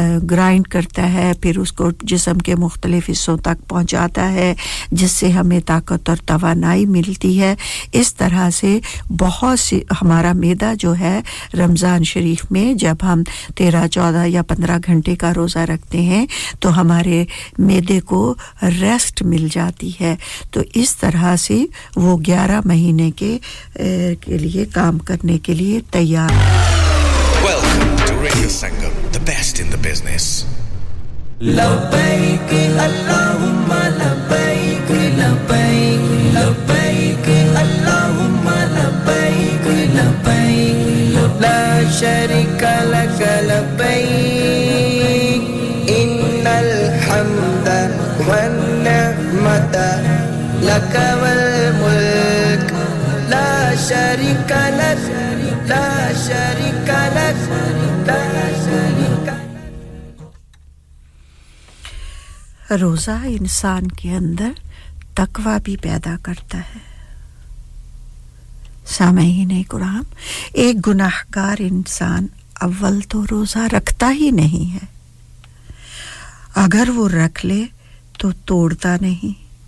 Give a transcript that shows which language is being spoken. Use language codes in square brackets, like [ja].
[ur] Grind کرتا ہے پھر اس کو جسم کے مختلف حصوں تک پہنچاتا ہے جس سے ہمیں طاقت اور توانائی ملتی ہے اس طرح سے بہت سے ہمارا معدہ جو ہے رمضان شریف میں جب ہم 13-14 یا 15 گھنٹے کا روزہ رکھتے ہیں تو ہمارے معدے کو ریسٹ مل جاتی ہے تو اس طرح سے وہ 11 مہینے کے لیے کام کرنے کے لیے تیار [en] Welcome to Radio Sangam, the best in the business. [ar] لبیک اللہم لبیک لبیک لبیک اللہم لبیک لبیک لا شريك لك لبيك إن الحمد والنعمة لك والملك لا شريك لك لا شريك لك [ur] روزہ انسان کے اندر تقوی بھی پیدا کرتا ہے سامعین کرام ایک گناہگار انسان اول تو روزہ رکھتا ہی نہیں ہے اگر وہ رکھ لے تو توڑتا نہیں